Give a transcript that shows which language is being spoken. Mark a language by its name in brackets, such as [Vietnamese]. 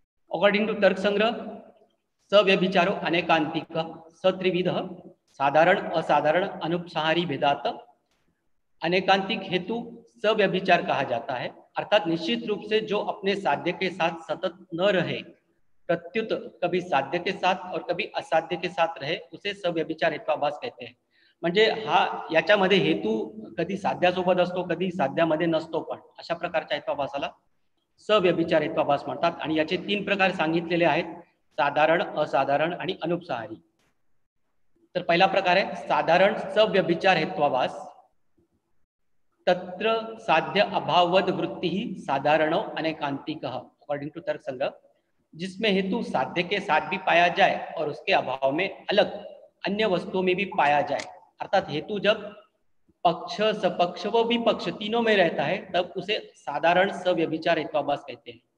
[English] according to [Sanskrit] तर्क संग्रह सव्यभिचारो अनेकांतिक सत्रिविध, साधारण असाधारण अनुपसंहारी भेदात। [Hindi] अनेकांतिक हेतु सव्यभिचार कहा जाता है, अर्थात निश्चित रूप से जो अपने साध्य के साथ सतत न रहे, प्रत्युत कभी साध्य के साथ और कभी असाध्य के साथ रहे, उसे सव्यभिचार हेत्वाभास कहते हैं। [Marathi] म्हणजे हा याच्यामध्ये हेतु कधी साध्यासोबत असतो कधी साध्यामध्ये नसतो, पण अशा प्रकारच्या हेत्वाभासाला सव्यभिचार हेत्वाभास म्हणतात। आणि याचे 3 प्रकार सांगितलेले आहेत, साधारण असाधारण आणि अनुपसंहारी। तर पहिला प्रकार आहे साधारण सव्यभिचार हेत्वाभास। [Sanskrit] तत्र साध्य अभाववद वृत्ती साधारण अनेकांतिक [English] according to [Hindi] तर्क संग्रह, जिसमें हेतु साध्य के साथ भी पाया जाए और उसके अभाव में अलग अन्य वस्तुओं में भी पाया जाए, अर्थात हेतु जब पक्ष सपक्ष व विपक्ष तीनों में रहता है तब उसे साधारण सव्यभिचार हेत्वाभास कहते हैं।